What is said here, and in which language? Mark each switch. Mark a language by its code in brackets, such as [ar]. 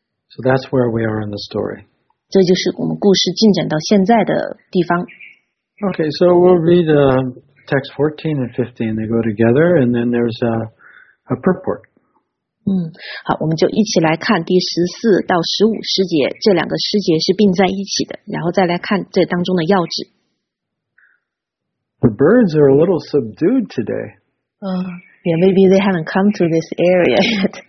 [en] So that's where we are in the story. [zh] 这就是我们故事进展到现在的地方。 [en] Okay, so we'll read text 14 and 15, they go together, and then there's a purport. [zh] 好，我们就一起来看第14到15诗节，这两个诗节是并在一起的，然后再来看这当中的要旨。 [en] The birds are a little subdued today. Yeah, maybe they haven't come to this area yet.